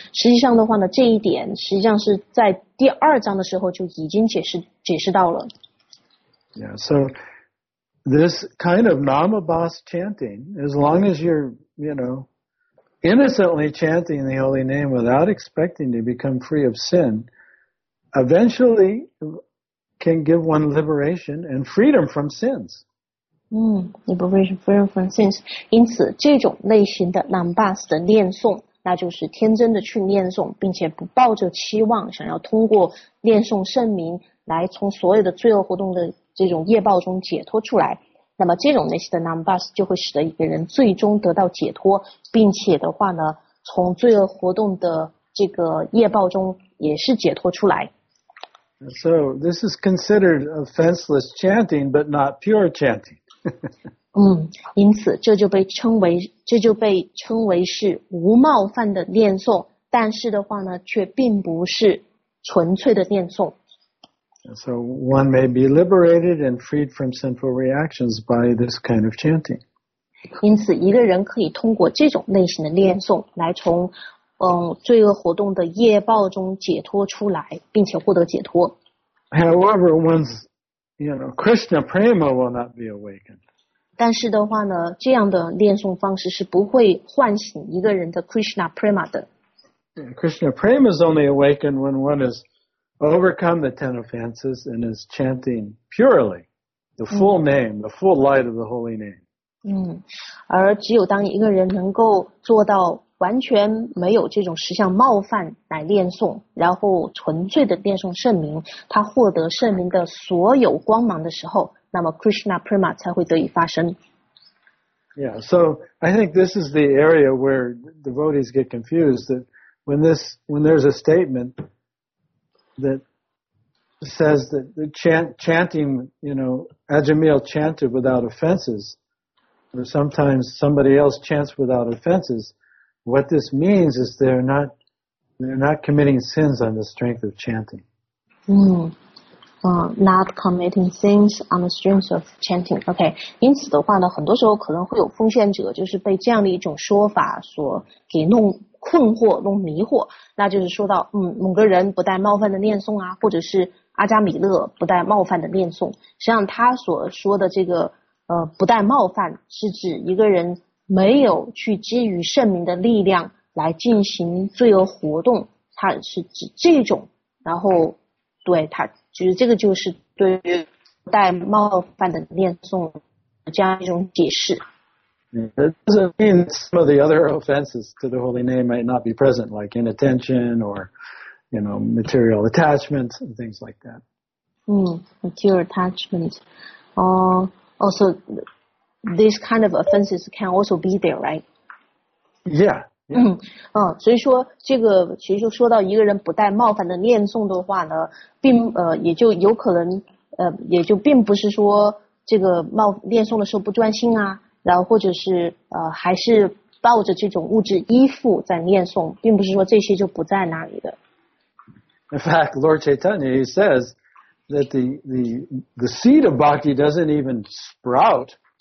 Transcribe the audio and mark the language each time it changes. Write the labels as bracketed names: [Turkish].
[Chinese] 实际上的话呢，这一点实际上是在第二章的时候就已经解释到了。 [English] Yeah, so this kind of namabas chanting, as long as you're, you know, innocently chanting the holy name without expecting to become free of sin, eventually can give one liberation and freedom from sins. Liberation, freedom from sins. [Chinese] 因此这种类型的 Lambas 的念诵，那就是天真的去念诵，并且不抱着期望想要通过念诵圣名来从所有的罪恶活动的这种业报中解脱出来，那么这种类型的 Lambas 就会使得一个人最终得到解脱，并且的话呢，从罪恶活动的这个业报中也是解脱出来。 [English] So this is considered offenseless chanting, but not pure chanting. [Chinese] 因此这就被称为是无冒犯的念诵，但是的话呢，却并不是纯粹的念诵。 [English] So one may be liberated and freed from sinful reactions by this kind of chanting. [Chinese] 因此一个人可以通过这种类型的念诵来从罪恶活动的业报中解脱出来，并且获得解脱。 [English] However, one's, you know, Krishna prema will not be awakened. [Chinese] 但是的话呢，这样的念诵方式是不会唤醒一个人的 Krishna prema 的。 [English] Krishna prema is only awakened when one has overcome the ten offenses and is chanting purely the full name, the full light of the holy name. [Chinese] 而只有当一个人能够做到完全没有这种十项冒犯来念诵，然后纯粹的念诵圣名，他获得圣名的所有光芒的时候，那么 Krishna Prema 才会得以发生。 [English] Yeah, so I think this is the area where devotees get confused, that when there's a statement that says that the chanting, you know, Ajamil chanted without offenses, or sometimes somebody else chants without offenses,What this means is they're not committing sins on the strength of chanting. Not committing sins on the strength of chanting. Okay. [Chinese] 因此的话呢，很多时候可能会有奉献者就是被这样的一种说法所给弄困惑、弄迷惑。那就是说到，某个人不带冒犯的念诵啊，或者是阿加米勒不带冒犯的念诵。实际上，他所说的这个不带冒犯，是指一个人。没有去基于圣名的力量来进行罪恶活动，它是指这种，然后对它其实这个就是对于带冒犯的念诵这样一种解释。 [English] It doesn't mean some of the other offenses to the holy name might not be present, like inattention or, you know, material attachments and things like that. Material attachments. Also,These kind of offenses can also be there, right? Yeah. Yeah. [Chinese] 所以说这个其实就说到一个人不带冒犯的念诵的话呢，并也就有可能也就并不是说这个念诵的时候不专心啊，然后或者是还是抱着这种物质依附在念诵，并不是说这些就不在那里的。 [English] In fact, Lord Chaitanya he says that the seed of bhakti doesn't even sprout.